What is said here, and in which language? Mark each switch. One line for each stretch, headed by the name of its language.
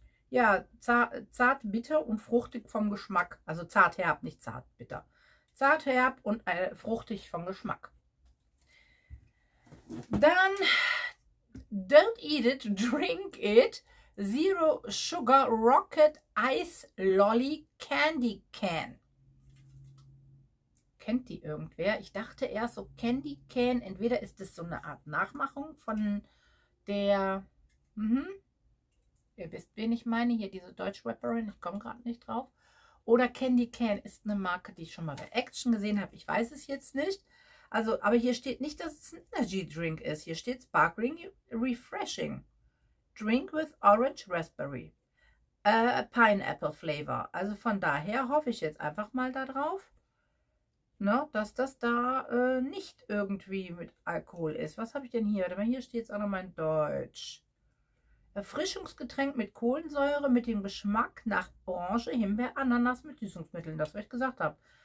German: ja, zart, bitter und fruchtig vom Geschmack. Also zart, herb, nicht zart, bitter. Zart, herb und fruchtig vom Geschmack. Dann,
English: don't eat it, drink it. Zero Sugar Rocket Ice Lolly Candy Can.
German: Kennt die irgendwer? Ich dachte eher so Candy Can. Entweder ist es so eine Art Nachmachung von der... Ihr wisst, wen ich meine. Hier diese Deutsch-Rapperin. Ich komme gerade nicht drauf. Oder Candy Can ist eine Marke, die ich schon mal bei Action gesehen habe. Ich weiß es jetzt nicht. Also, aber hier steht nicht, dass es ein Energy Drink ist. Hier steht Sparkling Refreshing.
English: Drink with Orange Raspberry. Pineapple Flavor.
German: Also von daher hoffe ich jetzt einfach mal darauf, ne, dass das da nicht irgendwie mit Alkohol ist. Was habe ich denn hier? Aber hier steht es auch nochmal in Deutsch. Erfrischungsgetränk mit Kohlensäure mit dem Geschmack nach Orange, Himbeer, Ananas mit Süßungsmitteln. Das, was ich gesagt habe.